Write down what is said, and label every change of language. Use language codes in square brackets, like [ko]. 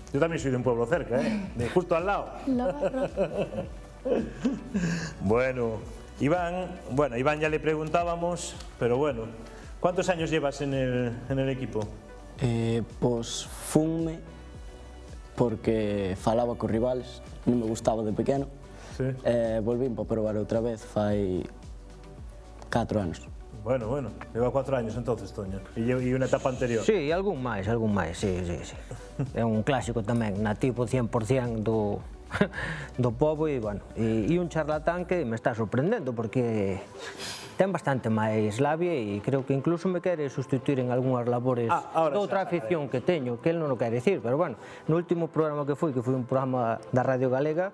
[gl] Eu tamén sou dun pobo cerca, [es] De justo al lado. Bueno, Iván ya le preguntábamos, pero bueno, ¿cuántos años llevas en el equipo? [gl] Pois funme porque falaba con rivales, non me gustaba de pequeno. Sí. Volvín para probar outra vez, fai 4 años. [es] Bueno, bueno, lleva 4 años entonces, Toño. ¿Y una etapa anterior? Sí, algún más, sí, sí, sí. Es un clásico también, nativo 100% [gl] do povo [es] y bueno, y un charlatán que me está sorprendiendo porque [gl] ten bastante máis labia e creo que incluso me quere sustituir en algunhas labores de outra afición que teño, que ele non o quere dicir, pero bueno, no último programa que foi un programa da Radio Galega,